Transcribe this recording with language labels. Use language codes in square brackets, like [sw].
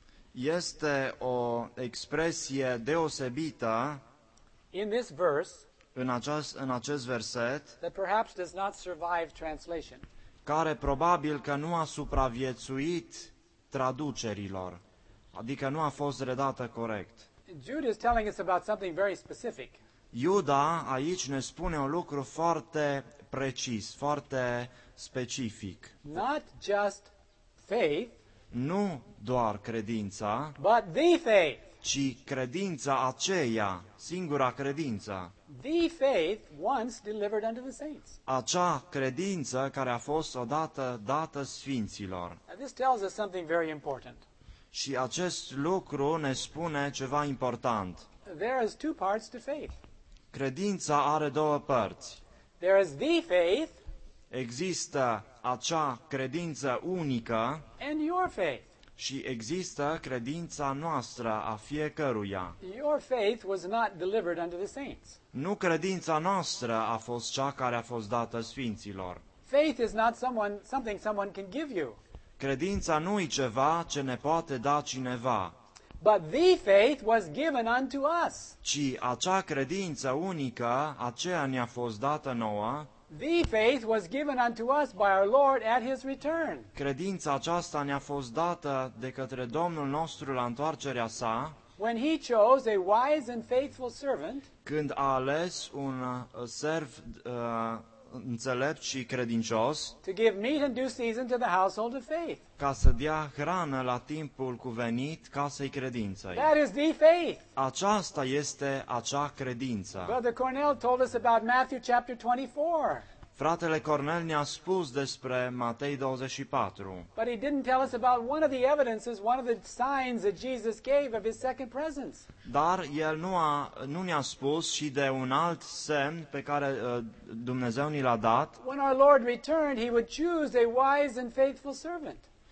[ro] Este o expresie deosebită [en] in this verse, [ro] în acest verset, [en] that perhaps does not survive translation. [ro] Care probabil că nu a supraviețuit traducerilor, adică nu a fost redată corect. [en] Jude is telling us about something very specific. [ro] Iuda aici ne spune un lucru foarte precis, foarte specific. [en] Not just faith, [ro] nu doar credința, [en] but the faith, [ro] ci credința aceea, singura credință. [en] The faith once delivered unto the saints. [ro] Acea credință care a fost odată dată sfinților. [en] Now this tells us something very important. [ro] Și acest lucru ne spune ceva important. [en] There is two parts to faith. [ro] Credința are două părți. [en] There is the faith. [ro] Există acea credință unică. [en] And your faith. [ro] Și există credința noastră a fiecăruia. [en] Your faith was not delivered unto the saints. [ro] Nu credința noastră a fost cea care a fost dată sfinților. [en] Faith is not something someone can give you. [ro] Credința nu e ceva ce ne poate da cineva. [en] But the faith was given unto us. [ro] Ci acea credință unică, aceea ne-a fost dată nouă. [en] The faith was given unto us by our Lord at His return. [ro] Credința aceasta ne-a fost dată de către Domnul nostru la întoarcerea sa. [en] When He chose a wise and faithful servant. [ro] Când a ales un serv înțelept și credincios. [en] To give meat in due season to the household of faith. [ro] Ca să dea hrană la timpul cuvenit casei credinței. [en] That is the faith. [ro] Aceasta este acea credință. [en] Brother Cornell told us about Matthew chapter 24. [ro] Fratele Cornel ne-a spus despre Matei 24. [en] But he didn't tell us about one of the evidences, one of the signs that Jesus gave of his second presence. [ro] Dar el nu ne-a spus și de un alt semn pe care Dumnezeu ni l-a dat. [en] When our Lord returned, he would choose a wise and faithful servant.